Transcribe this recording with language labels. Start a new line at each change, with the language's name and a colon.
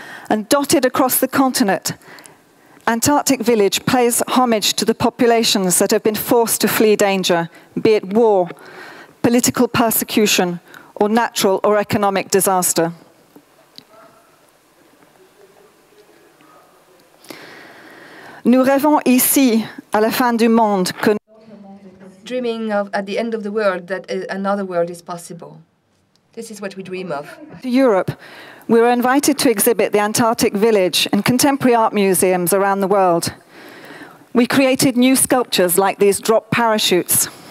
English: And dotted across the continent, Antarctic Village pays homage to the populations that have been forced to flee danger, be it war, political persecution, or natural or economic disaster.
French: Nous rêvons ici à la fin du monde que
English: dreaming of at the end of the world that another world is possible. This is what we dream of. To Europe, we were invited to exhibit the Antarctic Village in contemporary art museums around the world. We created new sculptures like these drop parachutes.